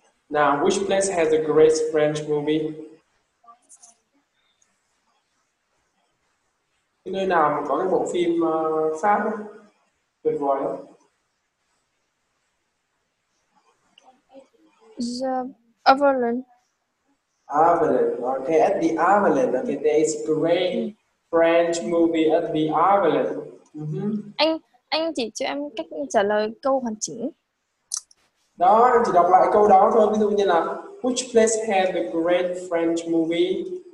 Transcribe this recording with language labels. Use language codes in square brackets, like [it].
[en] Now, which place has the greatest French movie? [vi] Cái nơi nào mà có cái bộ phim Pháp đó? Tuyệt vời lắm. [en] The Avalon. Avalon. Okay, at the Avalon. Okay, there is a great French movie at the Avalon. Mm-hmm. [vi] Anh chỉ cho em cách trả lời câu hoàn chỉnh. Đó, em chỉ đọc lại câu đó thôi. Ví dụ như là [en] which place has the great French movie?